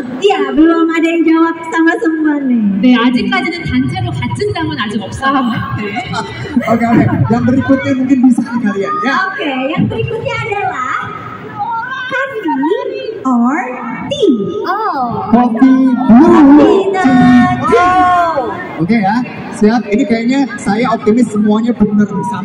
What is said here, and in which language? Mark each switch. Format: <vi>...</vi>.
<id>Iya, belum ada yang jawab sama semua nih.</id> <ko>Nah, 아직까지는 단체로 같은 당은 아직 없어.</ko> <id>Oke, oke. Yang berikutnya mungkin bisa kalian ya. Oke, okay, yang berikutnya adalah Coffee or Tea? Oh. Coffee or Tea. Oke okay, ya, siap. Ini kayaknya saya optimis semuanya benar sama.</id>